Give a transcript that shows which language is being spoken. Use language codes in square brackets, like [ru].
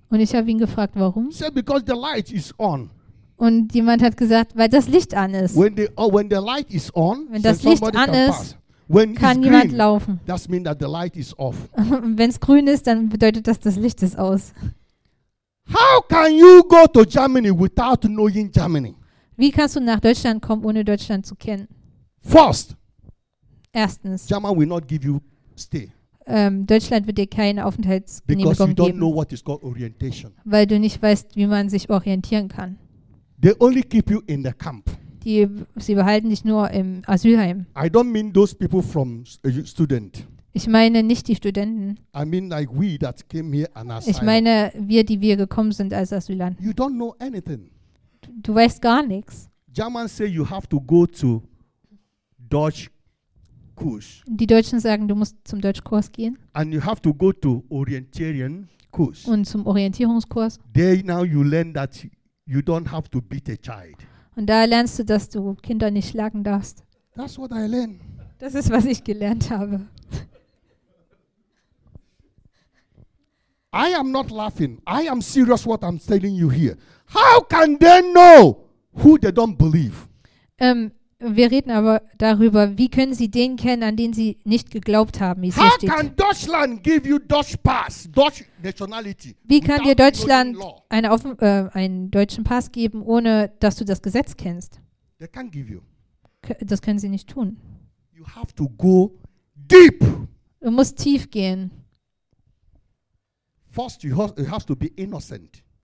[de] Und ich habe ihn gefragt, warum. [en] He said, because the light is on. [de] Und jemand hat gesagt, weil das Licht an ist. [en] When the light is on, [de] wenn das Licht an ist, [en] when [de] kann [en] green, [de] niemand laufen. [en] That means that the light is off. [de] Wenn es grün ist, dann bedeutet das Licht ist aus. [en] How can you go to Germany without knowing Germany? [de] Wie kannst du nach Deutschland kommen, ohne Deutschland zu kennen? [en] First. [de] Erstens. [en] German will not give you stay. [de] Deutschland wird dir keine Aufenthaltsgenehmigung geben. [en] Because you don't know what is called orientation. [de] Weil du nicht weißt, wie man sich orientieren kann. [en] They only keep you in the camp. [de] Sie behalten dich nur im Asylheim. [en] I don't mean those people from student. [de] Ich meine nicht die Studenten. [en] I mean like we that came here an asylum. [de] Ich meine wir, die wir gekommen sind als Asylanten. [en] You don't know anything. [de] Du weißt gar nichts. [en] Germans say you have to go to Deutsch Kurs. [de] Die Deutschen sagen, du musst zum Deutschkurs gehen. [en] And you have to go to Orientieren Kurs. [de] Und zum Orientierungskurs. [en] There now you learn that you don't have to beat a child. [de] Und da lernst du, dass du Kinder nicht schlagen darfst. [en] That's what I learned. Das ist, was ich gelernt habe. I am not laughing. I am serious what I'm telling you here. How can they know who they don't believe? [de] Wir reden aber darüber, wie können Sie den kennen, an den Sie nicht geglaubt haben, wie es hier steht. [en] How can Deutschland give you Dutch pass, Dutch nationality? [de] Wie kann dir Deutschland einen deutschen Pass geben, ohne dass du das Gesetz kennst? [en] They can't give you. [de] Das können sie nicht tun. [en] You have to go deep. [de] Du musst tief gehen. [en] First, you have to be innocent.